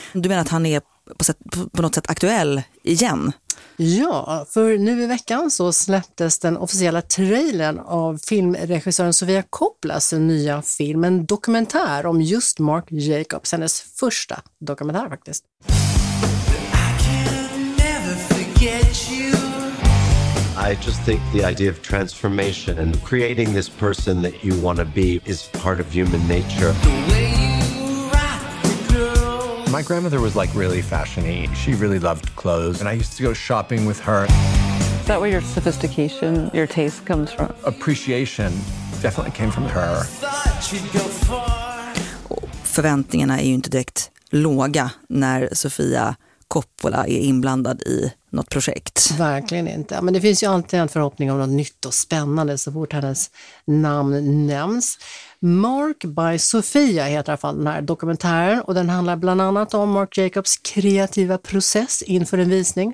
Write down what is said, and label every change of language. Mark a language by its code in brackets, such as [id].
[sv] Du menar att han är på något sätt aktuell igen? Ja, för nu i veckan så släpptes den officiella trailern av filmregissören Sofia Coppolas nya film, en dokumentär om just Marc Jacobs, hennes första dokumentär faktiskt. [en] I can never forget you. I just think the idea of transformation and creating this person that you want to be is part of human nature. My grandmother was like really fashion-y. She really loved clothes and I used to go shopping with her. Is that where your sophistication, your taste comes from? Appreciation definitely came from her. [sv] Förväntningarna är ju inte direkt låga när Sofia Coppola är inblandad i något projekt. Verkligen inte. Men det finns ju alltid en förhoppning om något nytt och spännande så fort hennes namn nämns. Marc by Sofia heter i alla fall den här dokumentären och den handlar bland annat om Marc Jacobs kreativa process inför en visning.